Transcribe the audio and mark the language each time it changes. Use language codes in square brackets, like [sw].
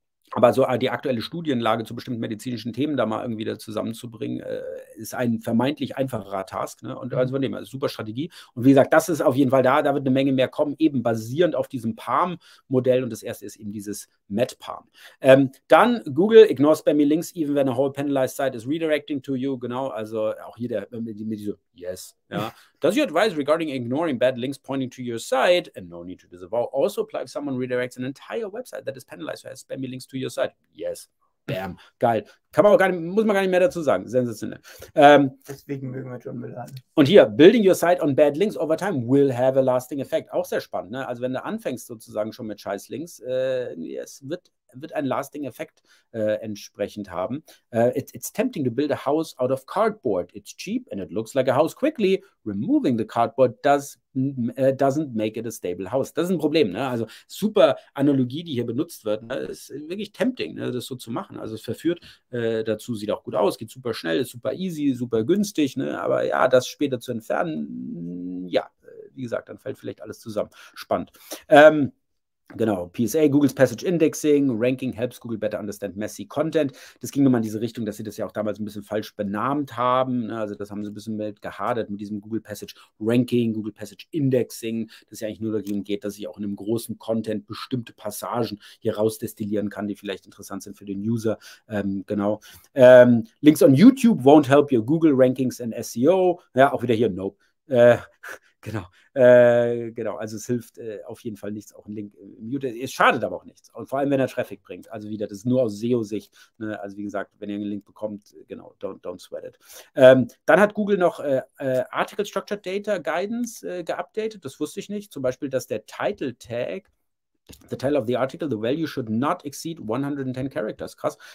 [de] Aber so die aktuelle Studienlage zu bestimmten medizinischen Themen da mal irgendwie da zusammenzubringen, ist ein vermeintlich einfacherer Task, ne? Und also von dem, also super Strategie. Und wie gesagt, das ist auf jeden Fall da, da wird eine Menge mehr kommen, eben basierend auf diesem PaLM-Modell. Und das erste ist eben dieses MedPaLM. Dann [en] Google, ignore spammy links, even when a whole penalized site is redirecting to you. [de] Genau, also auch hier der, mit dieser, [en] yes, [de] ja. [en] Does your advice regarding ignoring bad links pointing to your site and no need to disavow also apply if someone redirects an entire website that is penalized or has spammy links to your site? Yes. Bam. [de] Geil. Kann man auch gar nicht, muss man gar nicht mehr dazu sagen. Sensationell. Deswegen mögen wir John Müller. Und hier, [en] building your site on bad links over time will have a lasting effect. [de] Auch sehr spannend, ne? Also wenn du anfängst sozusagen schon mit scheiß Links, es wird ein lasting Effekt entsprechend haben. [en] It's tempting to build a house out of cardboard. It's cheap and it looks like a house quickly. Removing the cardboard doesn't make it a stable house. [de] Das ist ein Problem, ne? Also super Analogie, die hier benutzt wird. Ne? Es ist wirklich tempting, ne? Das so zu machen. Also es verführt dazu, sieht auch gut aus, geht super schnell, ist super easy, super günstig, ne? Aber ja, das später zu entfernen, ja, wie gesagt, dann fällt vielleicht alles zusammen. Spannend. Genau, [en] PSA, Googles Passage Indexing, Ranking helps Google better understand messy content. [de] Das ging nochmal in diese Richtung, dass sie das ja auch damals ein bisschen falsch benannt haben. Also das haben sie ein bisschen mit gehadert mit diesem Google Passage Ranking, Google Passage Indexing, dass es ja eigentlich nur darum geht, dass ich auch in einem großen Content bestimmte Passagen hier rausdestillieren kann, die vielleicht interessant sind für den User. Genau. [en] Links on YouTube won't help your Google Rankings and SEO. [de] Ja, auch wieder hier, nope. Genau, also es hilft auf jeden Fall nichts, auch ein Link im YouTube, es schadet aber auch nichts, und vor allem, wenn er Traffic bringt, also wieder, das ist nur aus SEO-Sicht, ne? Also wie gesagt, wenn ihr einen Link bekommt, genau, [en] don't sweat it. [de] Dann hat Google noch Article Structured Data Guidance geupdatet, das wusste ich nicht, zum Beispiel, dass der Title Tag, [en] the title of the article, the value should not exceed 110 characters. [de] Krass.